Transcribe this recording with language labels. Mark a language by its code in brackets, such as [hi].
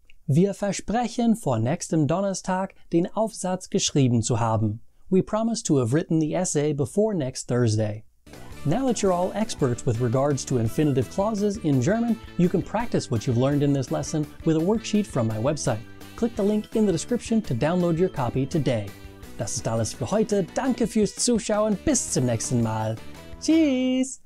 [de] Wir versprechen, vor nächstem Donnerstag den Aufsatz geschrieben zu haben. [en] We promise to have written the essay before next Thursday. Now that you're all experts with regards to infinitive clauses in German, you can practice what you've learned in this lesson with a worksheet from my website. Click the link in the description to download your copy today. [de] Das ist alles für heute. Danke fürs Zuschauen. Bis zum nächsten Mal. Tschüss!